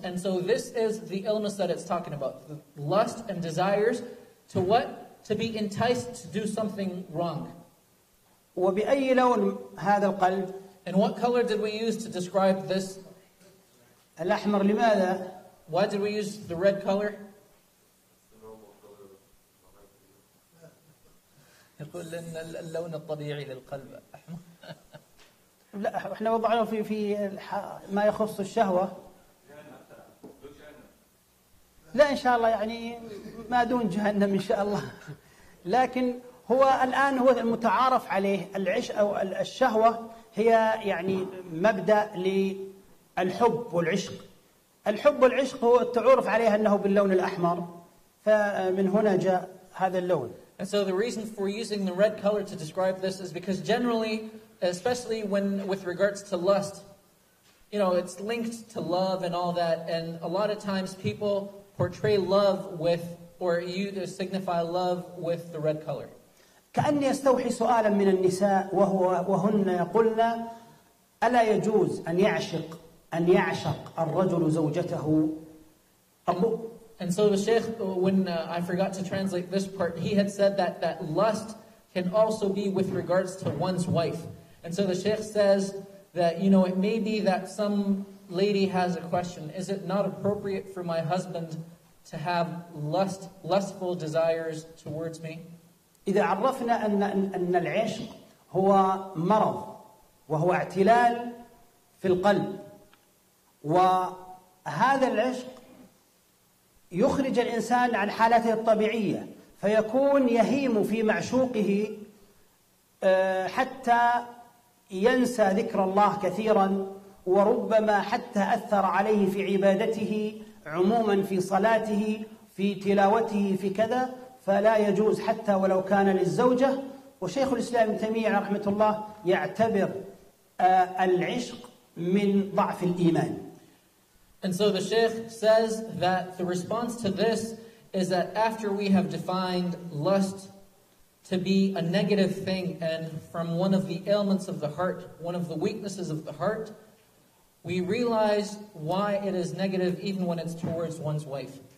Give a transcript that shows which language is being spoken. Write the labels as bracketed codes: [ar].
[en] And so this is the illness that it's talking about. Lust and desires to what? To be enticed to do something wrong. [ar] وبأي لون هذا القلب؟ [en] And what color did we use to describe this? [ar] الأحمر لماذا؟ [en] Why did we use the red color? [ar] يقول إن اللون الطبيعي للقلب أحمر. لا إحنا وضعناه في في ما يخص الشهوة. لا إن شاء الله يعني ما دون جهنم إن شاء الله. لكن هو الآن هو المتعارف عليه العشق أو الشهوة هي يعني مبدأ للحب والعشق. الحب والعشق هو التعارف عليها أنه باللون الأحمر. فمن هنا جاء هذا اللون. [en] And so the reason for using the red color to describe this is because generally especially when with regards to lust, you know, it's linked to love and all that, and a lot of times people portray love with, or you signify love with the red color. [ar] كأني استوحي سؤالا من النساء وهن يقولن ألا يجوز أن يعشق الرجل زوجته أبو. [en] And so the Sheikh, when I forgot to translate this part, he had said that lust can also be with regards to one's wife. And so the Sheikh says that, you know, it may be that some lady has a question. Is it not appropriate for my husband to have lustful desires towards me? [ar] إذا عرفنا أن العشق هو مرض وهو اعتلال في القلب وهذا العشق يخرج الإنسان عن حالته الطبيعية فيكون يهيم في معشوقه حتى ينسى ذكر الله كثيرا وربما حتى أثر عليه في عبادته عموما في صلاته في تلاوته في كذا فلا يجوز حتى ولو كان للزوجة وشيخ الإسلام ابن تيمية رحمه الله يعتبر العشق من ضعف الإيمان. [en] And so the Sheikh says that the response to this is that after we have defined lust to be a negative thing and from one of the ailments of the heart, one of the weaknesses of the heart, we realize why it is negative even when it's towards one's wife.